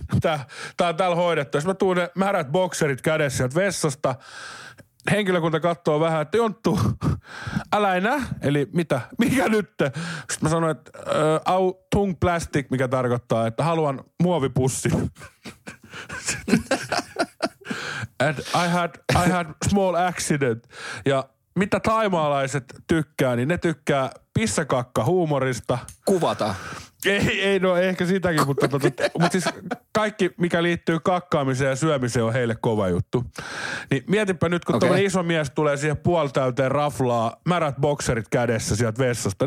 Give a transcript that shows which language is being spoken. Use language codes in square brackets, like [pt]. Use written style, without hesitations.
[fi] Tää on täällä hoidettu. Sitten mä tuun ne märät bokserit kädessä sieltä vessasta. Henkilökunta katsoo vähän, että Jonttu, älä enää. Eli mitä, mikä nyt? Sitten mä sanoin, että [th] au tung plastic, [fi] mikä tarkoittaa, että haluan muovipussin. [en] And I had small accident. [fi] Ja mitä taimaalaiset tykkää, niin ne tykkää pissakakka huumorista. Kuvata. Ei, no ehkä sitäkin, mutta siis kaikki, mikä liittyy kakkaamiseen ja syömiseen, on heille kova juttu. Niin mietinpä nyt, kun tuollainen iso mies tulee siihen puolitäyteen raflaa, märät bokserit kädessä sieltä vessasta.